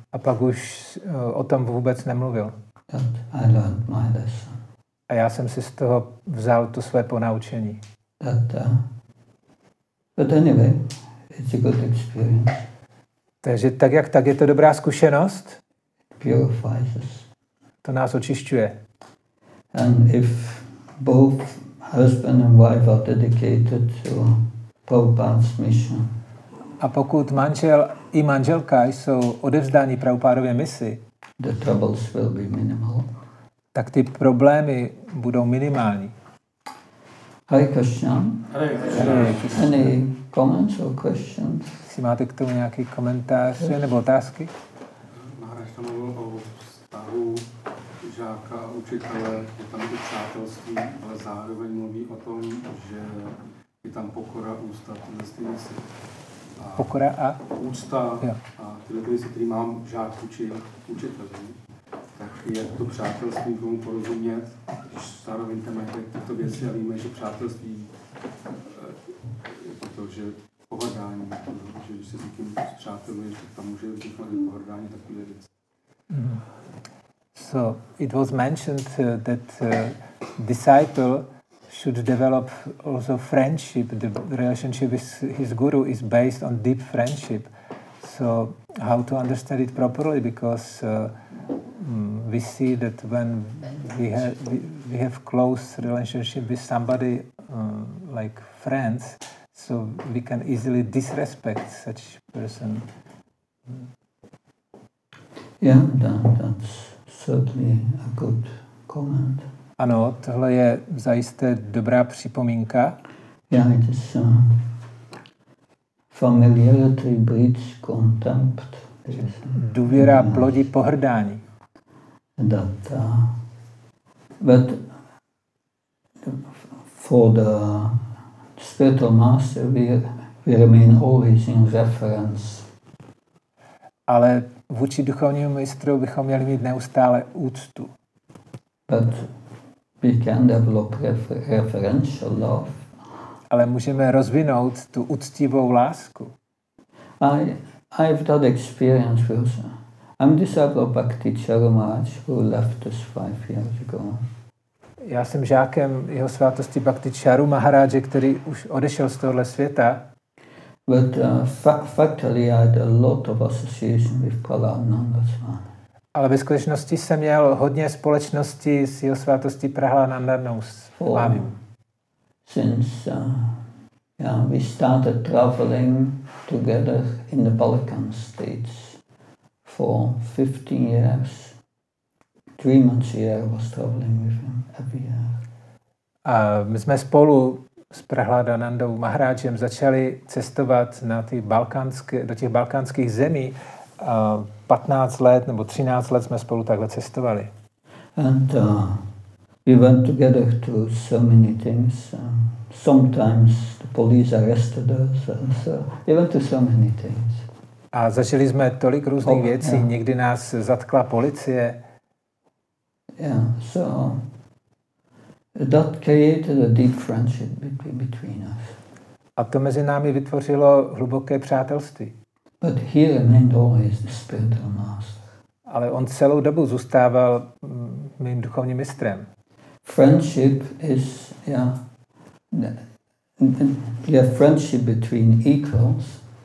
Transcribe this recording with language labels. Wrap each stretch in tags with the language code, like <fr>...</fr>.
<cs>A pak už o tom vůbec nemluvil.</cs> <en>But I learned my lesson.</en> <cs>A já jsem si z toho vzal to své ponaučení.</cs> <en>But anyway, it's a good experience.</en> <cs>Takže tak jak tak je to dobrá zkušenost.</cs> <en>Purifies us.</en> <cs>To nás očišťuje.</cs> <en>And if both husband and wife are dedicated to Prabhupada's mission.</en> <cs>A pokud manžel i manželka jsou odevzdáni Prabhupádově misi,</cs> <en>the troubles will be minimal.</en> <cs>Tak ty problémy budou minimální.</cs> <en>Hare Krishna.</en> <cs>Hare Krishna.</cs> <en>Any comments or questions?</en> <cs>Si máte k tomu nějaký komentář nebo otázky? Maharaj tam mluvil o vztahu žáka a učitele, je tam to přátelství, ale zároveň mluví o tom, že je tam pokora, úcta, tyhle věci. Pokora a? Úcta a tyhle věci, které mám žák učit učitelům, tak je to přátelství k tomu porozumět, když zároveň tam je tyto věci a víme, že přátelství je to, že pohrdání, že když se s někým zpřáteluje, tak tam může vzniknout pohrdání takové věci.</cs> <en>So it was mentioned that disciple should develop also friendship. The relationship with his guru is based on deep friendship. So how to understand it properly? Because we see that when we have close relationship with somebody like friends, so we can easily disrespect such person. Yeah, that's certainly a good comment.</en> <cs>Ano, tohle je zajisté dobrá připomínka.</cs> <en>Yeah, it is familiarity breeds contempt.</en> <cs>Důvěra plodí pohrdání.</cs> <en>But for the spiritual master, we remain always in reference.</en> <cs>Ale vůči duchovnímu mistru bychom měli mít neustále úctu.</cs> <en>But we can develop referential love.</en> <cs>Ale můžeme rozvinout tu úctivou lásku.</cs> <en>I have that experience also. I'm disciple of Bhakti Charamaj, who left us 5 years ago.</en> <cs>Já jsem žákem jeho svátosti Bhakti Charu Maharaje, který už odešel z tohle světa.</cs> <en>But factually, I had a lot of association with Prahlananda Swami.</en> <cs>Ale ve skutečnosti jsem měl hodně společnosti s jeho svátostí Prahlananda Swami.</cs> <en>Since we started traveling together in the Balkan states for 15 years, 3 months a year I was traveling with him every year.</en> <cs>A my jsme spolu s Prahlananda Maharajem začali cestovat na ty balkánské, do těch balkánských zemí. 15 let nebo 13 let jsme spolu takhle cestovali.</cs> <en>And we went together to so many things. Sometimes the police arrested us. So we went to so many things.</en> <cs>A zažili jsme tolik různých věcí. Yeah. Někdy nás zatkla policie.</cs> <en>Yeah, so that created a deep friendship between us.</en> <cs>A to mezi námi vytvořilo hluboké přátelství.</cs> <en>But he remained always the spiritual master.</en> <cs>Ale on celou dobu zůstával mým duchovním mistrem.</cs> <en>Friendship is, yeah, friendship between equals.</en>